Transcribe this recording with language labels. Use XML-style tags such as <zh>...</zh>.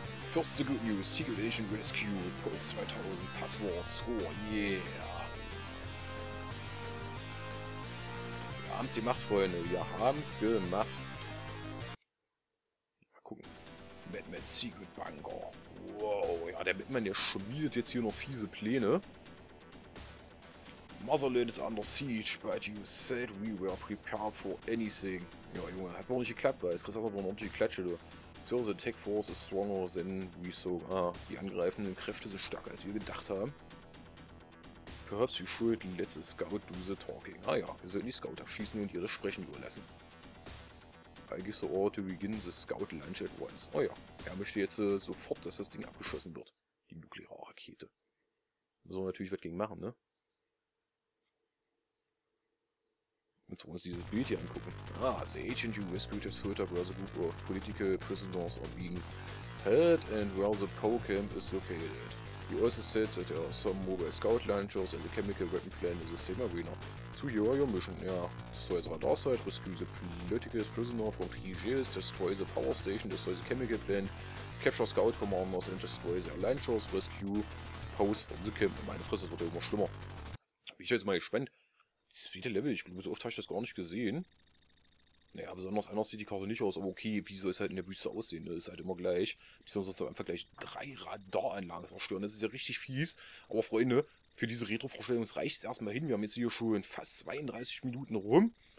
<en>First the good news, Secret Agent Rescue, Pulse 2000, Passwort, Score, yeah.</en> <de>Wir haben es gemacht, Freunde, wir haben es gemacht. Mal gucken. Batman Secret Bunker. Wow, ja, der Batman, der schmiedet jetzt hier noch fiese Pläne.</de> <en>Motherland is under siege, but you said we were prepared for anything.</en> <de>Ja, Junge, hat wohl nicht geklappt, weil es kriegst einfach eine ordentliche Klatsche, du.</de> <en>So, the tech force is stronger than we saw.</en> <de>Ah, die angreifenden Kräfte sind stärker, als wir gedacht haben.</de> <en>Perhaps you should let the scout do the talking.</en> <de>Ah ja, wir sollten die Scout abschießen und ihre Sprechen überlassen.</de> <en>I give the order to begin the scout launch at once.</en> <de>Oh ja, er möchte jetzt sofort, dass das Ding abgeschossen wird. Die nukleare Rakete. Müssen wir natürlich was gegen machen, ne? Jetzt wollen wir uns dieses Bild hier angucken.</de> <en>Ah, the agent you rescued has heard about a group of political prisoners are being held and where the POW camp is located. You also said that there are some mobile scout launchers and a chemical weapon plant in the same arena. So here are your mission. Ja, destroy the radar site, rescue the political prisoner from Trigels, destroy the power station, destroy the chemical plant, capture scout commanders and destroy their launchers, rescue POWs from the camp.</en> <de>Meine Fresse, das wird ja immer schlimmer. Bin ich jetzt mal gespannt. Das zweite Level, ich glaube, so oft habe ich das gar nicht gesehen. Naja, besonders anders sieht die Karte nicht aus, aber okay, wie soll es halt in der Wüste aussehen? Das ist halt immer gleich. Die sollen sonst einfach gleich drei Radaranlagen zerstören. Das ist ja richtig fies. Aber Freunde, für diese Retro-Vorstellung reicht es erstmal hin. Wir haben jetzt hier schon fast 32 Minuten rum.</de>